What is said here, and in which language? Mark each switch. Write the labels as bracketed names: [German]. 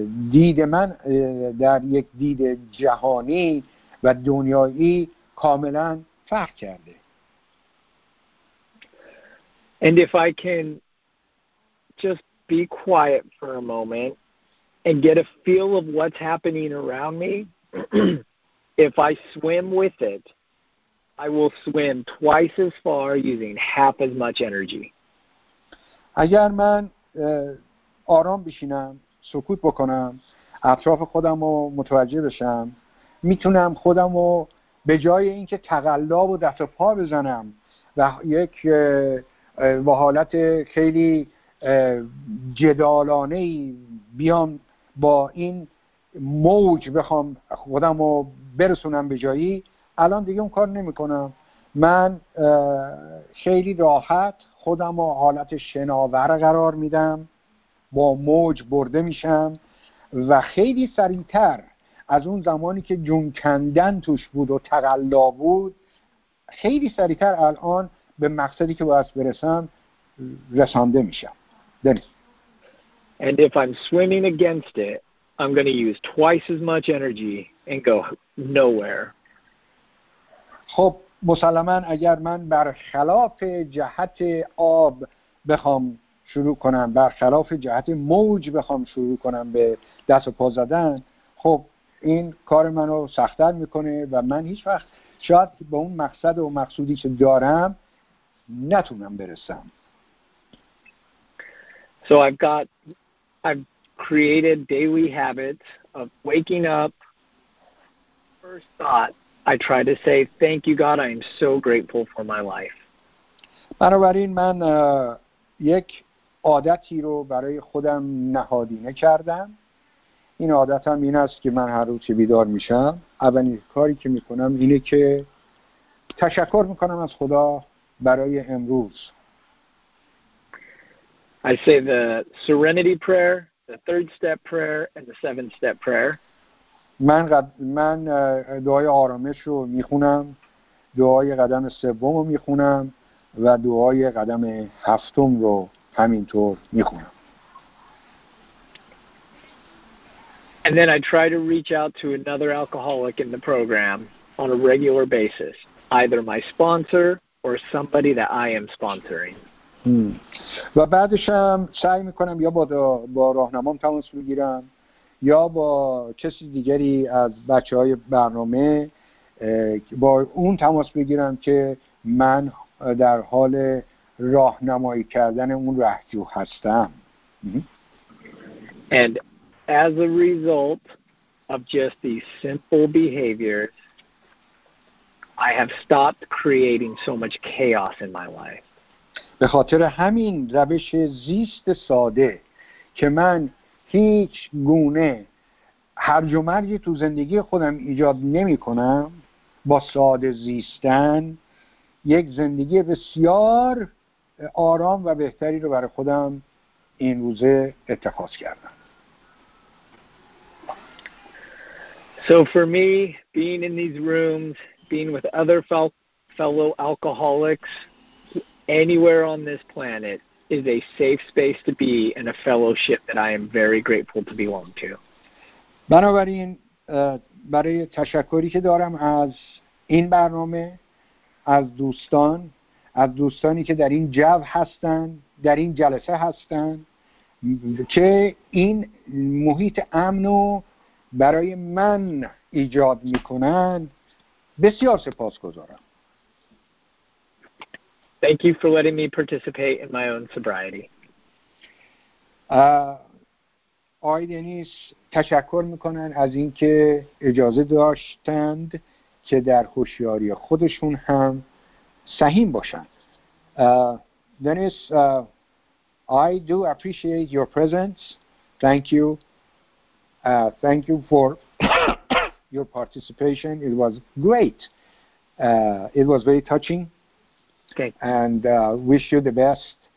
[Persian] دید من در یک دید جهانی و دنیایی کاملا فرق کرده. [English] And if I can just be quiet for a moment and get a feel of what's happening around me, if I swim with it, I will swim twice as far using half as much energy. [Persian] اگر من آرام بشینم، سکوت بکنم، اطراف خودم رو متوجه بشم، میتونم خودم رو به جای اینکه تقلا و دست و پا بزنم و یک با حالت خیلی جدالانه بیام با این موج بخوام خودم رو برسونم به جایی، الان دیگه اون کار نمی کنم. من خیلی راحت خودم رو حالت شناور قرار میدم، با موج برده میشم و خیلی سریعتر از اون زمانی که جون کندن توش بود و تقلا بود، خیلی سریعتر الان به مقصدی که باید برسم رسانده میشم. [English] And if I'm swimming against it, I'm going to use twice as much energy and go nowhere. [Persian] خب مسلماً اگر من برخلاف جهت آب بخوام شروع کنم، برخلاف جهت موج بخوام شروع کنم به دست و پا زدن، خب این کار منو سخت‌تر میکنه و من هیچ وقت شاید به اون مقصد و مقصودی که دارم نتونم برسم. [English] So I've created daily habits of waking up. First thought, I try to say, thank you God, I am so grateful for my life. [Persian] بنابراین من یک عادتی رو برای خودم نهادینه کردم. این عادتم این است که من هر روز بیدار میشم، اولین کاری که میکنم اینه که تشکر میکنم از خدا برای امروز. [English] I say the serenity prayer, the third step prayer, and the seventh step prayer. [Persian] من دعای آرامش رو میخونم، دعای قدم سوم رو میخونم و دعای قدم هفتم رو همینطور میخونم. [English] And then I try to reach out to another alcoholic in the program on a regular basis, either my sponsor or somebody that I am sponsoring. [Persian] و بعدش هم سعی میکنم یا با راهنمام تماس میگیرم یا با کسی دیگری از بچه های برنامه با اون تماس میگیرم که من در حال راهنمایی کردن اون رهجو هستم. [English] And as a result of just these simple behaviors, I have stopped creating so much chaos in my life. [Persian] به خاطر همین روش زیست ساده که من هیچ گونه هرج و مرجی تو زندگی خودم ایجاد نمی کنم، با ساده زیستن یک زندگی بسیار آرام و بهتری رو برای خودم این روزه اتخاذ کردم. [English] So for me, being in these rooms, being with other fellow alcoholics anywhere on this planet is a safe space to be and a fellowship that I am very grateful to belong to. [Persian] بنابراین برای تشکری که دارم از این برنامه، از دوستانی که در این جو هستند، در این جلسه هستند، که این محیط امن رو برای من ایجاد میکنند، بسیار سپاسگزارم. [English] Thank you for letting me participate in my own sobriety. [Persian] آقای دنیس تشکر میکنن از اینکه اجازه داشتند که در هوشیاری خودشون هم سهیم باشند. [English] Dennis, I do appreciate your presence. Thank you. Thank you for your participation. It was great. It was very touching. Okay. And wish you the best.